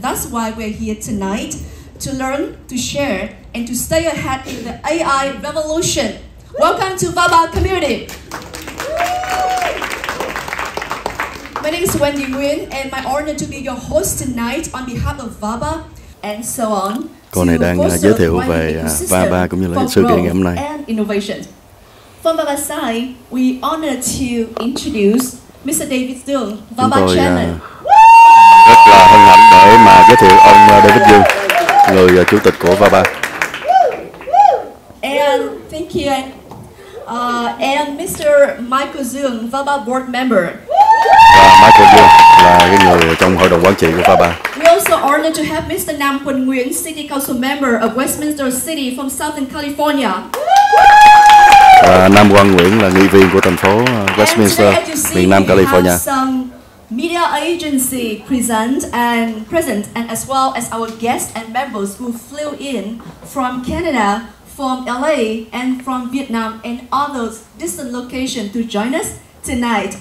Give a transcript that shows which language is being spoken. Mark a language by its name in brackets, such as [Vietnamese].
[English] That's why we're here tonight, to learn, to share, and to stay ahead in the AI revolution. Welcome to Baba Community. My name is Wendy Nguyen, and my honor to be your host tonight on behalf of Baba and so on. [Vietnamese] Cô này đang giới thiệu về Baba cũng như là sự kiện ngày hôm nay. [English] From Baba's side, we honor to introduce Mr. David Dương, Baba [Vietnamese] tôi, [English] Chairman. [Vietnamese] Rất là hân hạnh để mà giới thiệu ông David Dương, người chủ tịch của Baba. [English] And thank you. And Mr. Michael Dương, Baba board member. [Vietnamese] Michael Dương là cái người trong hội đồng quản trị của Baba. [English] So honored to have Mr. Nam Quân Nguyễn, City Council Member of Westminster City from Southern California. [Vietnamese] Nam Quân Nguyễn là nghị viên của thành phố Westminster, miền Nam California. [English] And today, as you see, we have some media agency present, and as well as our guests and members who flew in from Canada, from LA, and from Vietnam and other distant locations to join us tonight.